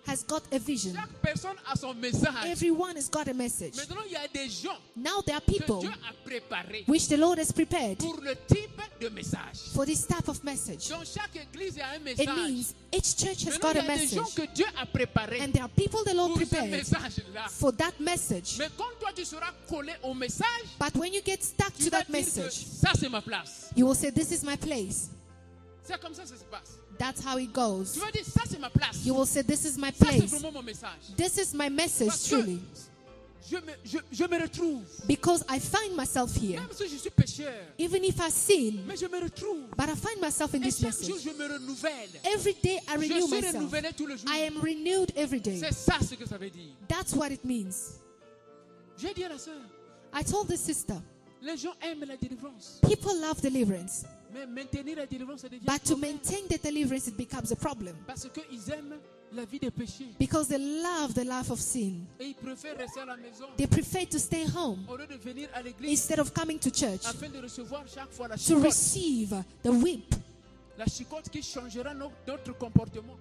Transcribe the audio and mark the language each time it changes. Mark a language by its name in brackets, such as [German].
[English] Has got a vision. [French] Chaque personne a son message. [English] Everyone has got a message. [French] Maintenant, il y a des gens [English] now there are people [French] que Dieu a préparé [English] which the Lord has prepared [French] pour le type de message. [English] For this type of message. [French] Dans chaque église, il y a un message. [English] It means each church has [French] maintenant, [English] got a message. [French] Il y a des gens que Dieu a préparé [English] and there are people the Lord prepared for that message. [French] Mais quand toi, tu seras collé au message. [English] But when you get stuck [French] tu [English] to that message, [French] ça, c'est ma place. [English] You will say, this is my place. [French] C'est comme ça que ça se passe. [English] That's how it goes. [French] Tu vas dire, ça, c'est ma place. [English] You will say, this is my place. [French] Ça, c'est vraiment mon message. [English] This is my message, [French] parce que [English] truly. [French] Je me retrouve. [English] Because I find myself here. [French] Même si je suis pécheur, [English] even if I sin. [French] Mais je me retrouve. [English] But I find myself in [French] et [English] this message. [French] Jour, je me renouvelle. [English] Every day I renew [French] je suis [English] myself. [French] Renouvelé tout le jour. [English] I am renewed every day. [French] C'est ça, ce que ça veut dire. [English] That's what it means. [French] J'ai dit à la sœur, [English] I told the sister. [French] Les gens aiment la délivrance. [English] People love deliverance. [French] Mais maintenir la délivrance, ça devient [English] but to maintain the deliverance, it becomes a problem. [French] Parce que ils aiment la vie des péchés. [English] Because they love the life of sin. [French] Et ils préfèrent rester à la maison. [English] They prefer to stay home. [French] Au lieu de venir à l'église. [English] Instead of coming to church. [French] Afin de recevoir chaque fois la [English] chicotte. To receive the whip. [French] La chicotte qui changera notre comportement.